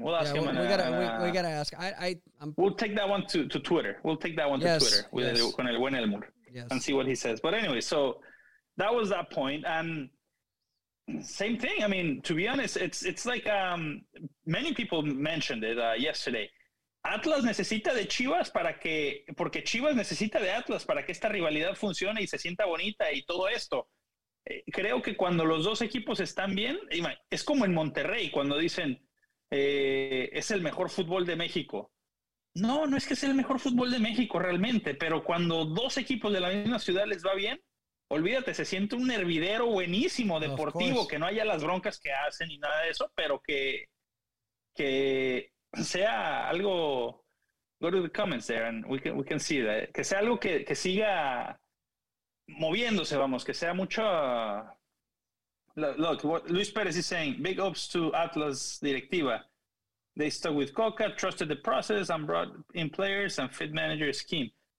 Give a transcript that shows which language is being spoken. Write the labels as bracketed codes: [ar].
[en] We gotta ask. We'll take that one to Twitter. We'll take that one to Twitter with when Elmore and see what he says. But anyway, so that was that point. And same thing. I mean, to be honest, it's like many people mentioned it yesterday. [es] Atlas necesita de Chivas porque Chivas necesita de Atlas para que esta rivalidad funcione y se sienta bonita y todo esto. Creo que cuando los dos equipos están bien, es como en Monterrey, cuando dicen, es el mejor fútbol de México. No es que sea el mejor fútbol de México realmente, pero cuando dos equipos de la misma ciudad les va bien, olvídate, se siente un hervidero buenísimo deportivo, que no haya las broncas que hacen y nada de eso, pero que sea algo... [en] Go to the comments there and we can see that. [es] Que sea algo que siga... moviéndose, vamos, que sea mucho. [en] Look, what Luis Perez is saying, big ups to Atlas Directiva. They stuck with Coca, trusted the process, and brought in players and fit manager scheme.